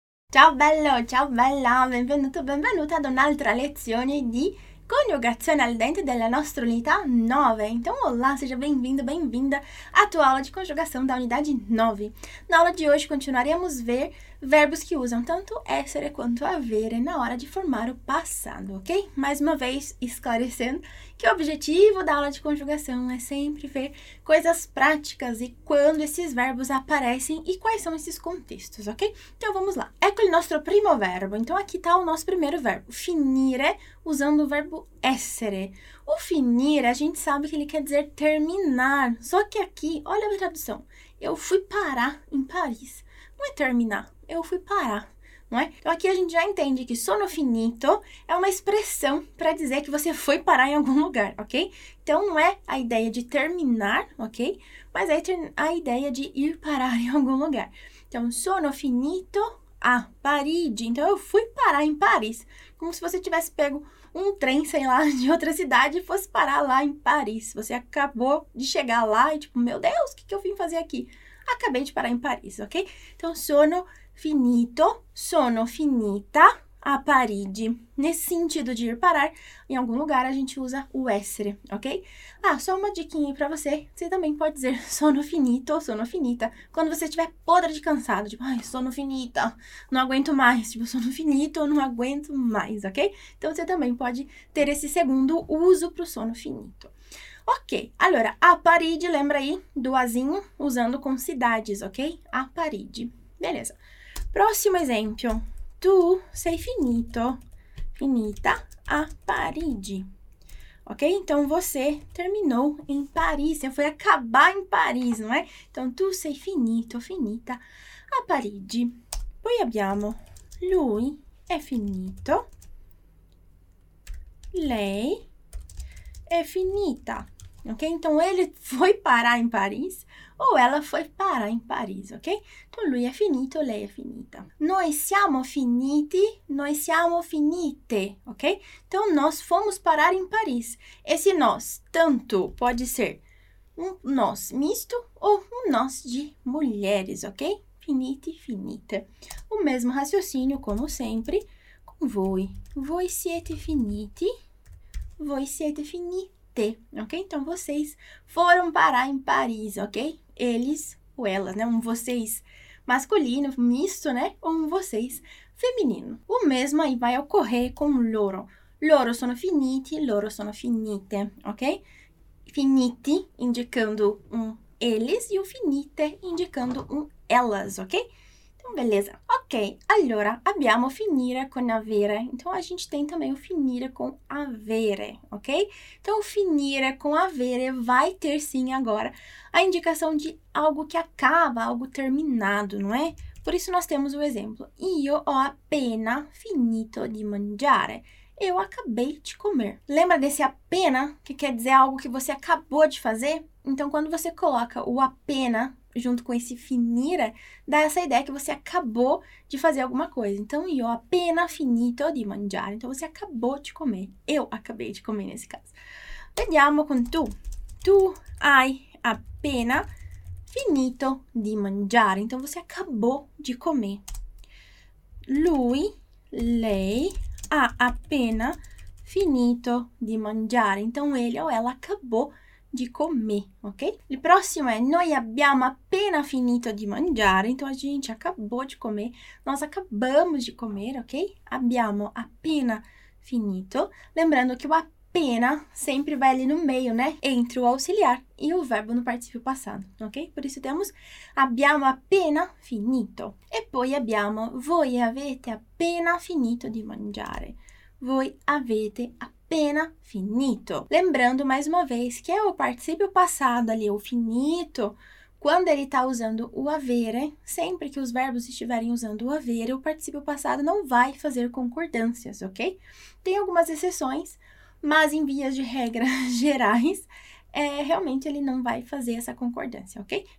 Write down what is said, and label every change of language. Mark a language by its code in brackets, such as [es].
[it] Ciao bello, ciao bella, benvenuto, benvenuta ad un'altra lezione di coniugazione al dente della nostra unità 9. [pt] Então, olá, seja bem-vindo, bem-vinda à tua aula de conjugação da unidade 9. Na aula de hoje, continuaremos ver verbos que usam tanto essere quanto avere na hora de formar o passado, ok? Mais uma vez, esclarecendo que o objetivo da aula de conjugação é sempre ver coisas práticas e quando esses verbos aparecem e quais são esses contextos, ok? Então, vamos lá. [it] Ecco il nostro primo verbo. [pt] Então, aqui está o nosso primeiro verbo, finire, usando o verbo essere. O finire, a gente sabe que ele quer dizer terminar. Só que aqui, olha a tradução. Eu fui parar em Paris. Não é terminar. Eu fui parar, não é? Então aqui a gente já entende que [it] sono finito [pt] é uma expressão para dizer que você foi parar em algum lugar, ok? Então não é a ideia de terminar, ok? Mas é a ideia de ir parar em algum lugar. [it] Então sono finito a Parigi. [pt] Então eu fui parar em Paris, como se você tivesse pego um trem, sei lá, de outra cidade e fosse parar lá em Paris. Você acabou de chegar lá e tipo, meu Deus, o que que eu vim fazer aqui? Acabei de parar em Paris, ok? [it] Então sono finito, sono finita a Parigi. [pt] Nesse sentido de ir parar em algum lugar, a gente usa o essere, ok? Ah, só uma diquinha aí pra você. Você também pode dizer [it] sono finito, sono finita, [pt] quando você estiver podre de cansado, tipo, ai, [it] sono finita, [pt] não aguento mais, tipo, [it] sono finito, [pt] não aguento mais, ok? Então você também pode ter esse segundo uso pro [it] sono finito. [pt] Ok, [it] allora, a Parigi, [pt] lembra aí do Azinho usando com cidades, ok? [it] A Parigi. [pt] Beleza. Próximo exemplo. [it] Tu sei finito. Finita a Parigi. Ok? [pt] Então você terminou em Paris. Você foi acabar em Paris, não é? [it] Então tu sei finito, finita a Parigi. Poi abbiamo. Lui è finito. Lei è finita. Ok? [pt] Então ele foi parar em Paris ou ela foi parar em Paris, ok? [it] Então lui é finito, lei é finita. Noi siamo finiti, noi siamo finite, ok? [pt] Então nós fomos parar em Paris. Esse nós tanto pode ser um nós misto ou um nós de mulheres, ok? [it] Finiti, finite. [pt] O mesmo raciocínio, como sempre, com voi. [it] Voi siete finiti, voi siete finite. Ok? [pt] Então vocês foram parar em Paris, ok? Eles ou elas, né? Um vocês masculino, misto, né? Ou um vocês feminino. O mesmo aí vai ocorrer com loro. [it] Loro sono finiti, loro sono finite, ok? [pt] Finiti indicando um eles e o finite indicando um elas, ok? Então, beleza. [it] Ok, allora abbiamo finire con avere. [pt] Então a gente tem também o finire com avere, ok? Então o finire com avere vai ter sim agora a indicação de algo que acaba, algo terminado, não é? Por isso nós temos o exemplo. [it] Io ho appena finito di mangiare. [pt] Eu acabei de comer. Lembra desse appena, que quer dizer algo que você acabou de fazer? Então quando você coloca o appena junto com esse finire, dá essa ideia que você acabou de fazer alguma coisa. [it] Então, io appena finito di mangiare. [pt] Então, você acabou de comer. Eu acabei de comer nesse caso. [it] Vediamo con tu. Tu hai appena finito di mangiare. [pt] Então, você acabou de comer. [it] Lui, lei, ha appena finito di mangiare. [pt] Então, ele ou ela acabou de comer, ok? O próximo é [it] noi abbiamo appena finito di mangiare, [pt] então a gente acabou de comer, nós acabamos de comer, ok? [it] Abbiamo appena finito, [pt] lembrando que o appena sempre vai ali no meio, né? Entre o auxiliar e o verbo no participio passado, ok? Por isso temos [it] abbiamo appena finito. E poi abbiamo voi avete appena finito di mangiare. Voi avete appena finito. [pt] Lembrando mais uma vez que é o participio passado ali, o finito, quando ele está usando o avere, sempre que os verbos estiverem usando o avere, o participio passado não vai fazer concordâncias, ok? Tem algumas exceções, mas em vias de regras gerais, realmente ele não vai fazer essa concordância, ok?